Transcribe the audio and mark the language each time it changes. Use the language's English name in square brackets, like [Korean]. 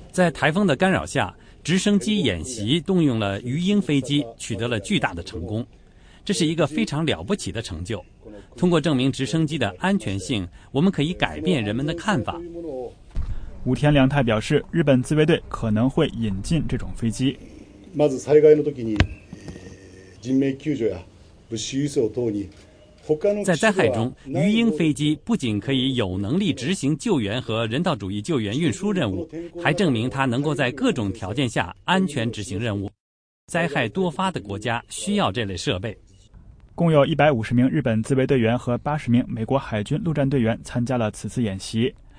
[Chinese] 在台风的干扰下，直升机演习动用了鱼鹰飞机，取得了巨大的成功，这是一个非常了不起的成就。通过证明直升机的安全性，我们可以改变人们的看法。武田良太表示，日本自卫队可能会引进这种飞机。 [Japanese] まず災害の時に人命救助や物資輸送等に。 [Chinese] 在灾害中，鱼鹰飞机不仅可以有能力执行救援和人道主义救援运输任务，还证明它能够在各种条件下安全执行任务。灾害多发的国家需要这类设备。共有150名日本自卫队员和80名美国海军陆战队员参加了此次演习。